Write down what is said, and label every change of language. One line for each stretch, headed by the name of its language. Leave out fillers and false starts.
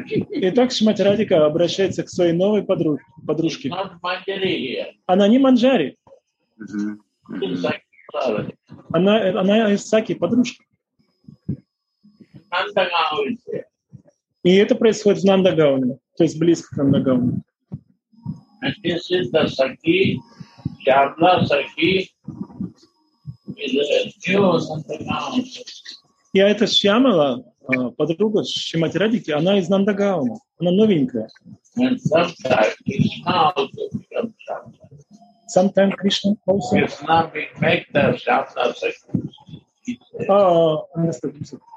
Russian: Итак, Шримати Радика обращается к своей новой подружке.
English: Not Manjari here.
Russian: Она не Манджари. Mm-hmm. Она из Сакхи, подружка.
English: Нандагау is here.
Russian: И это происходит в Нандагауне, то есть близко к Нандагауне.
English: And this is the Sakhi, Shyamala Sakhi, is a new Nandagaon.
Russian: И эта Шьямала, подруга Шримати Радики, она из Нандагауна, она новенькая.
English: And sometimes Krishna also becomes Shyamala. Sometimes Krishna also. Krishna makes the Shyamala Sakhi.